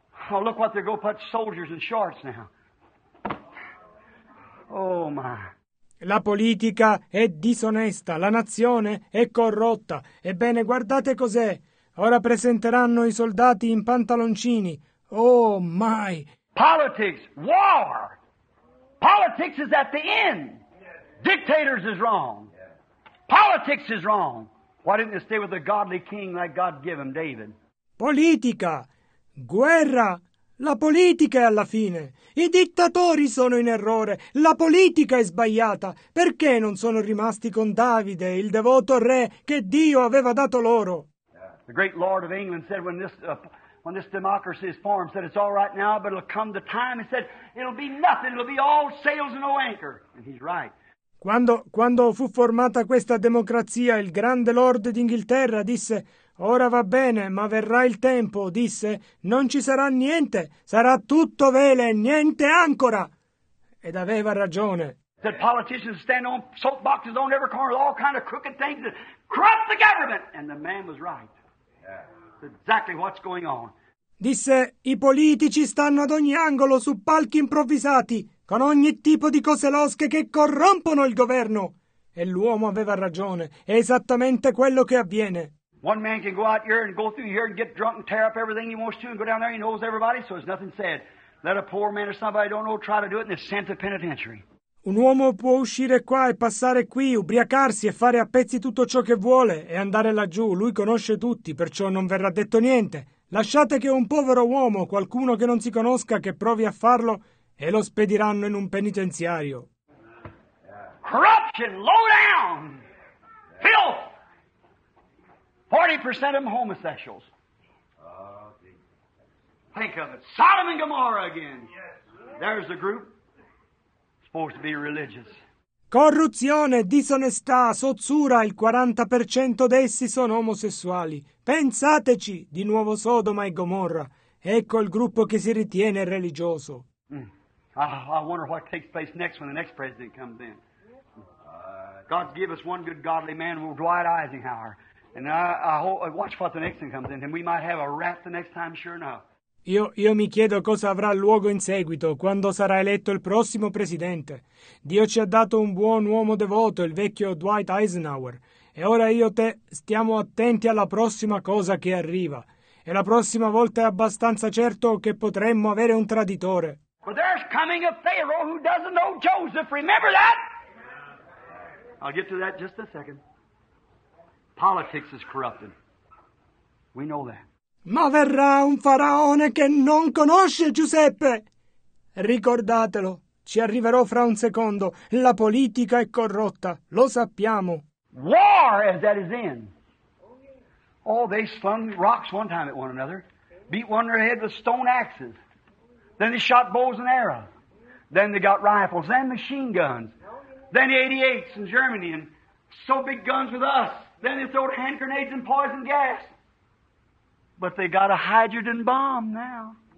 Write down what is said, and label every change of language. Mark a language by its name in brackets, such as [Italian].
[English] Oh, look what they're going to put soldiers in shorts now. Oh, my. [Italian] La politica è disonesta, la nazione è corrotta. Ebbene, guardate cos'è. Ora presenteranno i soldati in pantaloncini. [English] Oh, my. Politics, war. Politics is at the end. Dictators is wrong. Politics is wrong. Why didn't they stay with a godly king like God gave him, David? [Italian] Politica, guerra, la politica è alla fine. I dittatori sono in errore, la politica è sbagliata. Perché non sono rimasti con Davide, il devoto re che Dio aveva dato loro? [English] The great Lord of England said when this democracy is formed, said it's all right now, but it'll come the time. He said it'll be nothing, it'll be all sails and no anchor. And he's right. [Italian] Quando fu formata questa democrazia, il grande Lord d'Inghilterra disse: ora va bene, ma verrà il tempo, disse, non ci sarà niente, sarà tutto vele, niente ancora. Ed aveva ragione. [English] The politicians stand on soapboxes on every corner, all kind of crooked things that corrupt the government. And the man was right. Yeah. Exactly what's going on. [Italian] Disse, i politici stanno ad ogni angolo su palchi improvvisati, con ogni tipo di cose losche che corrompono il governo. E l'uomo aveva ragione, è esattamente quello che avviene. [English] One man can go out here and go through here and get drunk and tear up everything he wants to and go down there and he knows everybody, so there's nothing said. Let a poor man or somebody don't know try to do it and they're sent to the penitentiary. [Italian] Un uomo può uscire qua e passare qui, ubriacarsi e fare a pezzi tutto ciò che vuole e andare laggiù. Lui conosce tutti, perciò non verrà detto niente. Lasciate che un povero uomo, qualcuno che non si conosca, che provi a farlo e lo spediranno in un penitenziario. [English] Corruption, low down! Filth! 40% of them homosexuals. Think of it. Sodom and Gomorrah again. There's the group. Supposed to be religious. [Italian] Corruzione, disonestà, sozzura. Il 40% d'essi sono omosessuali. Pensateci, di nuovo Sodoma e Gomorra. Ecco il gruppo che si ritiene religioso. [English] I wonder what takes place next when the next president comes in. God give us one good godly man, Dwight Eisenhower. And I watch what the next thing comes in, and we might have a rat the next time, sure enough. [Italian] Io mi chiedo cosa avrà luogo in seguito, quando sarà eletto il prossimo presidente. Dio ci ha dato un buon uomo devoto, il vecchio Dwight Eisenhower. E ora io te stiamo attenti alla prossima cosa che arriva. E la prossima volta è abbastanza certo che potremmo avere un traditore. [English] But there's coming a Pharaoh who doesn't know Joseph, remember that? I'll get to that in just a second. Politics is corrupted. We know that. [Italian] Ma verrà un faraone che non conosce Giuseppe. Ricordatelo, ci arriverò fra un secondo. La politica è corrotta, lo sappiamo. [English] War is at its end. Oh, they slung rocks one time at one another, beat one their head with stone axes. Then they shot bows and arrows. Then they got rifles and machine guns. Then the 88s in Germany and so big guns with us. Then they throw hand grenades and poison gas. But they got a hydrogen bomb now.